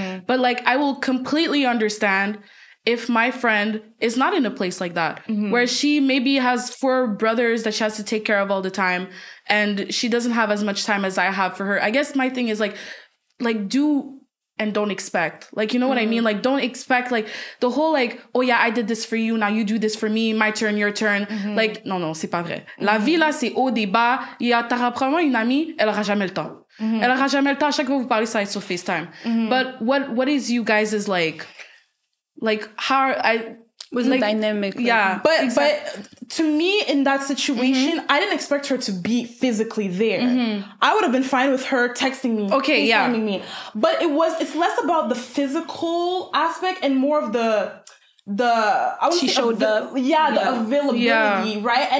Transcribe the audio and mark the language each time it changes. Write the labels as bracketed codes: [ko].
[en] But, like, I will completely understand if my friend is not in a place like that, where she maybe has four brothers that she has to take care of all the time, and she doesn't have as much time as I have for her. I guess my thing is, like, do... And don't expect, like, you know what I mean? Like, don't expect, like, the whole, like, oh yeah, I did this for you, now you do this for me, my turn, your turn. [fr] Like, non, c'est pas vrai. La vie là, c'est haut des bas. Il y a probablement une amie, elle aura jamais le temps. Elle aura jamais le temps. Chaque fois vous parlez, ça va être sur FaceTime. [en] But what is you guys is like how I was like, the dynamic. Yeah, but exactly. To me, in that situation, I didn't expect her to be physically there. I would have been fine with her texting me, FaceTiming me. But it's less about the physical aspect and more of the availability, right?